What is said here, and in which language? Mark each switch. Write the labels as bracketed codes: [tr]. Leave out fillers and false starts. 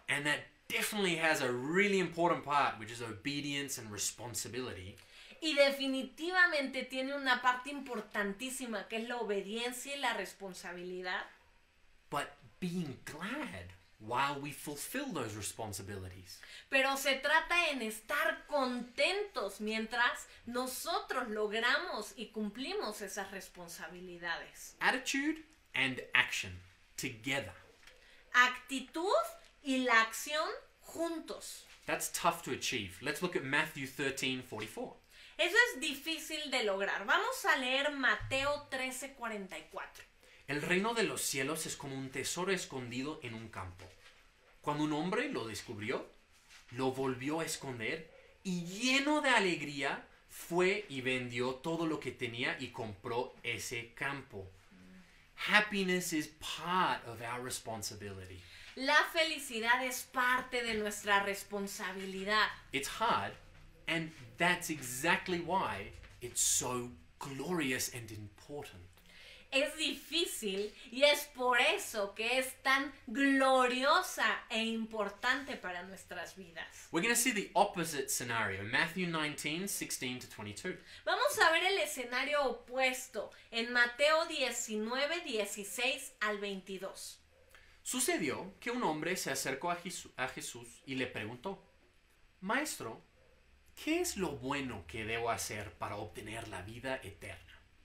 [en] And that definitely has a really important part, which is obedience and responsibility. [es] Y definitivamente tiene una parte importantísima, que es la obediencia y la responsabilidad. [en] But being glad while we fulfill those responsibilities. [es] Pero se trata en estar contentos mientras nosotros logramos y cumplimos esas responsabilidades. [en] Attitude and action together. [es] Actitud y la acción juntos. [en] That's tough to achieve. Let's look at Matthew 13:44. [es] Eso es difícil de lograr. Vamos a leer Mateo 13:44. El reino de los cielos es como un tesoro escondido en un campo. Cuando un hombre lo descubrió, lo volvió a esconder y lleno de alegría fue y vendió todo lo que tenía y compró ese campo. [en] Happiness is part of our responsibility. [es] La felicidad es parte de nuestra responsabilidad. [en] It's hard, and that's exactly why it's so glorious and important. [es] Es difícil y es por eso que es tan gloriosa e importante para nuestras vidas. [en] We're going to see the opposite scenario, Matthew 19:16-22. [es] Vamos a ver el escenario opuesto en Mateo 19:16-22. Sucedió que un hombre se acercó a Jesús y le preguntó, Maestro, ¿qué es lo bueno que debo hacer para obtener la vida eterna?